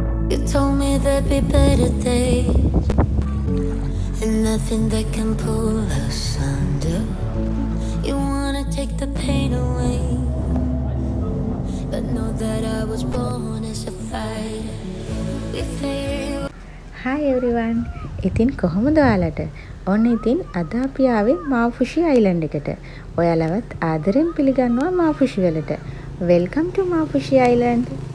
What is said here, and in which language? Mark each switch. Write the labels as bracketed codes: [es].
[en] You told me there'd be better days, and nothing that can pull us under. You wanna take the pain away, but know that I was born as a fighter. We fail. Hi everyone, [si] ඉතින් කොහොමද ඔයාලට? ඔන්න ඉතින් අද අපි ආවේ මාෆුෂි island එකට. ඔයාලවත් ආදරෙන් පිළිගන්නවා මාෆුෂි වලට. [en] Welcome to Maafushi Island.